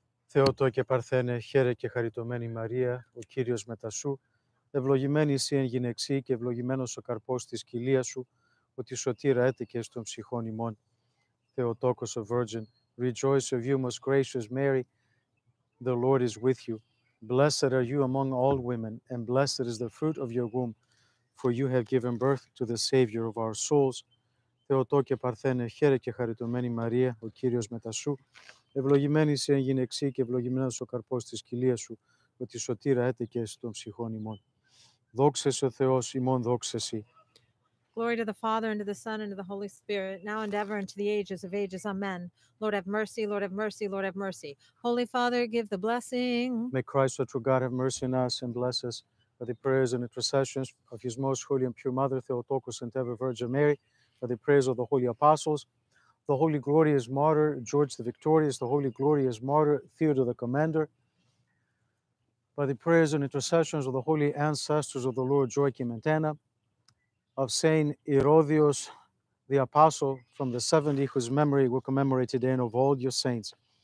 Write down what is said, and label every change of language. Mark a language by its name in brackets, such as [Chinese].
[Greek] Θεότο και Παρθένε, χαίρε και χαριτωμένη Μαρία, ο Κύριος μετά σου, ευλογημένη εσύ εν γυναιξή και ευλογημένος ο καρπός της κοιλίας σου, ότι σωτήρα έτηκες των ψυχών ημών. [English] Θεοτόκος, ο Virgin, rejoice of you, most gracious Mary, the Lord is with you. Blessed are you among all women, and blessed is the fruit of your womb, for you have given birth to the Savior of our souls. [Greek] Θεοτό και Παρθένε, χαίρε και χαριτωμένη Μαρία, ο Κύριος μετά σου, ευλογημένη σε γυναιξή και ευλογημένος ο καρπός της κοιλίας σου, ότι σωτήρα έτεκες των ψυχών ημών. Δόξα σε ο Θεός, ημών δόξα σε. [English] Glory to the Father, and to the Son, and to the Holy Spirit, now and ever, and to the ages of ages. Amen. Lord, have mercy. Lord, have mercy. Lord, have mercy. Holy Father, give the blessing. May Christ, our true God, have mercy on us and bless us by the prayers and intercessions of His most holy and pure Mother, Theotokos and ever Virgin Mary, by the prayers of the holy apostles, the holy glorious martyr, George the Victorious, the holy glorious martyr, Theodore the Commander, by the prayers and intercessions of the holy ancestors of the Lord, Joachim and Anna, of Saint Herodios the Apostle from the 70, whose memory we commemorate today, and of all your saints.